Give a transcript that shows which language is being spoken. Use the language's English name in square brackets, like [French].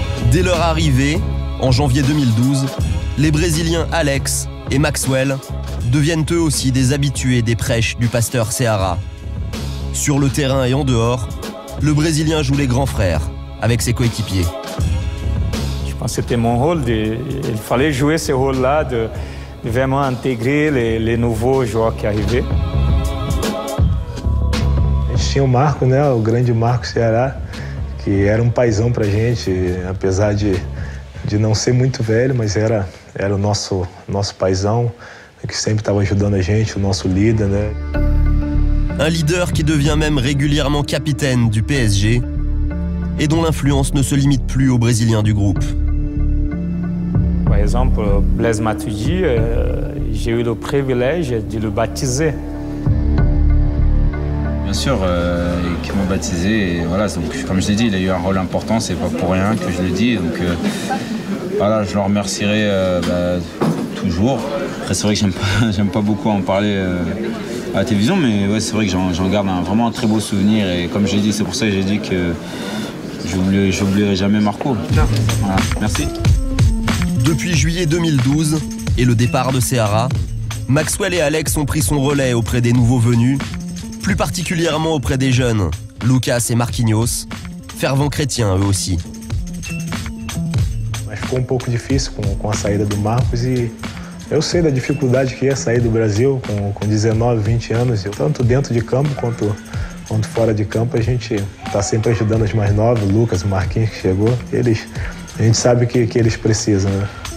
[French] Dès leur arrivée, en janvier 2012, les Brésiliens Alex et Maxwell deviennent eux aussi des habitués des prêches du pasteur Ceará. Sur le terrain et en dehors, le Brésilien joue les grands frères avec ses coéquipiers. Je pense que c'était mon rôle. Il fallait jouer ce rôle-là, de vraiment intégrer les nouveaux joueurs qui arrivaient. [Portuguese] Tinha o Marco, né, o grande Marco Ceará, qui era paisão pra gente, apesar de não ser muito velho, mas era o nosso paisão, que sempre estava ajudando a gente, o nosso líder, né? [French] Un leader qui devient même régulièrement capitaine du PSG et dont l'influence ne se limite plus aux Brésiliens du groupe. Par exemple, Blaise Matuidi, j'ai eu le privilège de le baptiser. Bien sûr, qu'ils m'ont baptisé. Et voilà, donc, comme je l'ai dit, il a eu un rôle important, c'est pas pour rien que je le dis. Donc voilà, je le remercierai toujours. Après, c'est vrai que j'aime pas beaucoup en parler à la télévision, mais ouais, c'est vrai que j'en garde vraiment un très beau souvenir. Et comme je l'ai dit, c'est pour ça que j'ai dit que j'oublierai jamais Marco. Voilà, merci. Depuis juillet 2012 et le départ de Ceará, Maxwell et Alex ont pris son relais auprès des nouveaux venus. Plus particulièrement auprès des jeunes, Lucas et Marquinhos, fervents chrétiens eux aussi. [Portuguese] Mas ficou um pouco difícil com a saída do Marcos e eu sei da dificuldade que é sair do Brasil com 19, 20 anos, tanto dentro de campo quanto fora de campo, a gente tá sempre ajudando os mais novos, Lucas, Marquinhos que chegou, eles a gente sabe que eles precisam, né?